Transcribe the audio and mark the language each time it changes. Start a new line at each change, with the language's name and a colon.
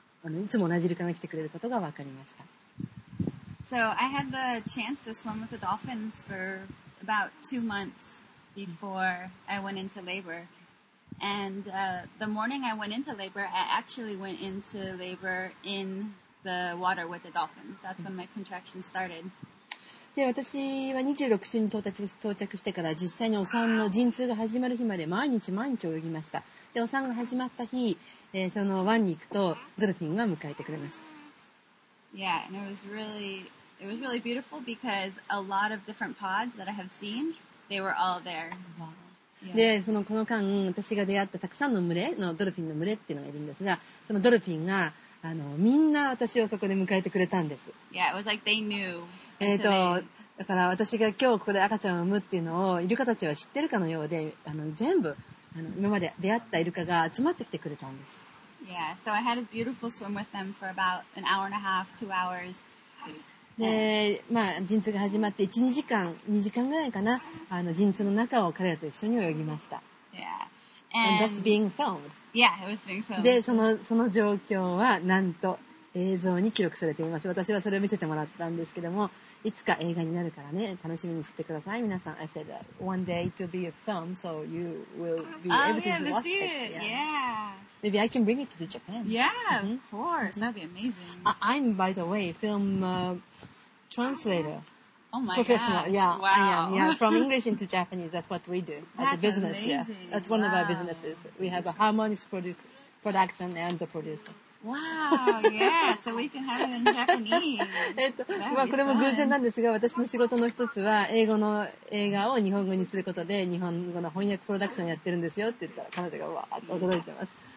Japanese: いつも同じイルカが来てくれることが分かりました。
English: So I had the chance to swim with the dolphins for about 2 months before I went into labor. And the morning I went into labor, I actually went into labor in the water with the dolphins. That's when my contraction started.
Japanese: で、私は26週に到着してから実際にお産の陣痛が始まる日まで毎日毎日泳ぎました。で、お産が始まった日、その湾に行くとドルフィンが迎えてくれました。
English: Yeah, and it was really beautiful because a lot of different pods that I have seen, they were all there.
Japanese: で、この間、私が出会ったたくさんの群れの、ドルフィンの群れっていうのがいるんですが、そのドルフィンが、みんな私をそこで迎えてくれたんです。
English: Yeah, it was like they knew.
Japanese: だから私が今日ここで赤ちゃんを産むっていうのを、イルカたちは知ってるかのようで、全部、今まで出会ったイルカが集まってきてくれたんです。
English: Yeah, so I had a beautiful swim with them for about an hour and a half, 2 hours.
Japanese: で、まあ、陣痛が始まって1、2時間、2時間ぐらいかな、陣痛の中を彼らと一緒に泳ぎました。
English: Yeah. And that's being filmed. Yeah, it was being filmed.
Japanese: で、その状況は、なんと映像に記録されています。私はそれを見せてもらったんですけども、いつか映画になるからね、楽しみにしてください、皆さん。
English: I said that one day it will be a film, so you will be able to watch it. Yeah. Yeah. Maybe I can bring it to Japan. Yeah, of course. That'd be amazing. I'm, by the way, film translator. Oh my god. Professional. Gosh. Yeah, wow. I am. Yeah, from English into Japanese. That's what we do. That's a business. Amazing. Yeah, that's one of our businesses. We have a harmonics production and the producer. Wow. Yeah. So we can have it in Japanese.
Japanese: まあこれも偶然なんですが、私の仕事の一つは英語の映画を日本語にすることで日本語の翻訳プロダクションやってるんですよって言ったら彼女がわーっと驚いてます。